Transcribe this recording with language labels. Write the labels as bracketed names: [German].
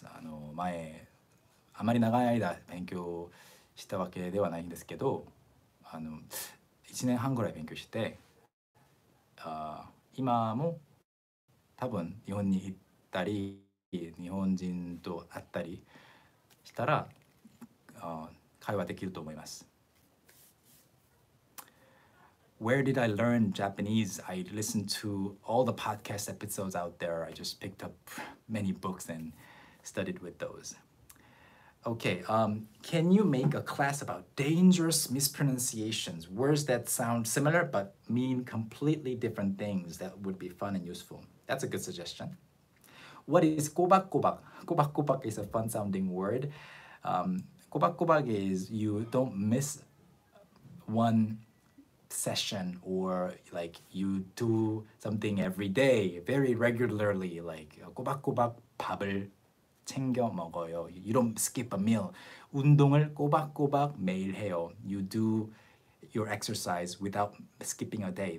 [Japanese] あの、前、あまり長い間勉強したわけではないんですけど、あの、1年半ぐらい勉強して、今も多分日本に行ったり、日本人と会ったりしたら、会話できると思います。 [English] Where did I learn Japanese? I listened to all the podcast episodes out there. I just picked up many books and studied with those. Okay, can you make a class about dangerous mispronunciations? Words that sound similar but mean completely different things that would be fun and useful. That's a good suggestion. What is kobak kobak? Kobak kobak is a fun sounding word. Kobak kobak is you don't miss one session, or like you do something every day very regularly, like [Korean] 꼬박꼬박 밥을 챙겨 먹어요. [English] You don't skip a meal. [Korean] 운동을 꼬박꼬박 매일 해요. [English] You do your exercise without skipping a day.